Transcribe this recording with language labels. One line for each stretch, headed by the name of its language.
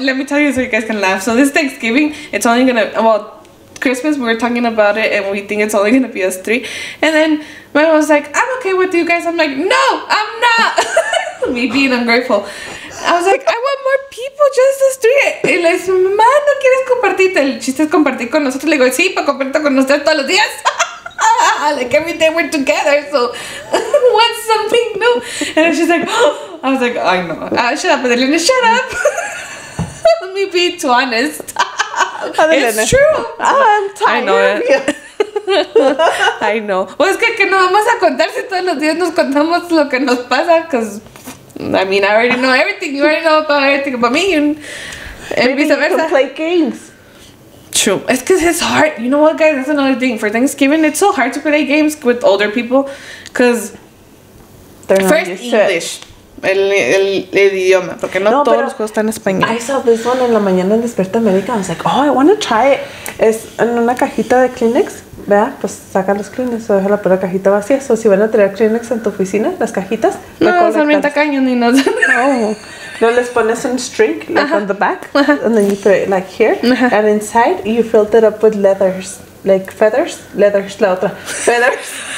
English: Let me tell you so you guys can laugh. So this Thanksgiving, it's only going to, well, Christmas, we were talking about it and we think it's only going to be us three. And then my mom was like, I'm okay with you guys. I'm like, no, I'm not. Me being ungrateful. I was like, I want more people, just us three.
Spanish: Y le dice, mamá, ¿no quieres compartirte? El chiste es compartir con nosotros. Le digo, sí, para compartir con ustedes todos los días.
English: Like every day we're together, so what's something new? And she's like, oh. I was like, I know. Shut up, Adelina, shut up. Let me be too honest. Adelina. It's true. I'm tired. I know. I know. Well,
Spanish: es que no vamos a contar si todos los días nos contamos lo que nos pasa,
English: because I mean, I already know everything. You already know about everything about me, and vice versa. Maybe you can play games. True. It's because it's hard. You know what, guys? That's another thing. For Thanksgiving, it's so hard to play games with older people. Because first, English.
Spanish: El idioma. Porque no todos los juegos están en español.
English: I saw this one
Spanish: en la mañana en
English: Despierta América. I was like, oh, I want to try it.
Spanish: Es en una cajita de Kleenex. ¿Verdad? Pues saca los Kleenex o deja la pura cajita vacía. O si van a tener Kleenex en tu oficina, las cajitas. No, son bien tacaños ni nada. No. No les pones un
English: string, like on the back, and then you put it like here, and inside you filled it up with leathers, like feathers, leathers,
Spanish: la otra,
English: feathers.